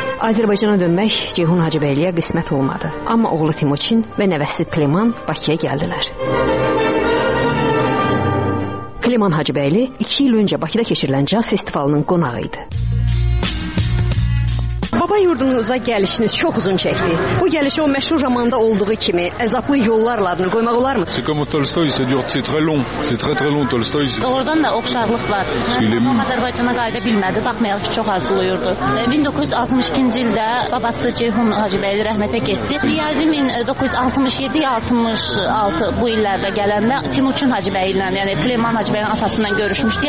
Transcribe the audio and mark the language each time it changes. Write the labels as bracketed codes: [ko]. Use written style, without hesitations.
[az] Azərbaycana dönmək Ceyhun Hacıbəyliyə qismət olmadı. Amma oğlu Timuçin və nəvəsi Kliman Bakıya gəldilər. Kliman Hacıbəyli 2 il öncə Bakıda keçirilən caz festivalının qonağı idi. Baba yurdunuza gəlişiniz çox uzun çəkdi. Bu gəlişə o məşhur romanda olduğu kimi əzablı yollarla adını qoymaq olarmı? [fr] C'est comme Tolstoy, c'est dur, c'est très long. C'est très très long Tolstoy. [az] Oradan da oxşarlıq var. Azərbaycana qayıda bilmədi, baxmayaraq ki çox arzulayırdı. 1962-ci ildə babası Ceyhun Hacıbəyli rəhmətə getdi. Riyazi 1967-66 bu illərdə gələndə Timuçin Hacıbəyli ilə, yəni Süleyman Hacıbəyin atasından görüşmüşdü.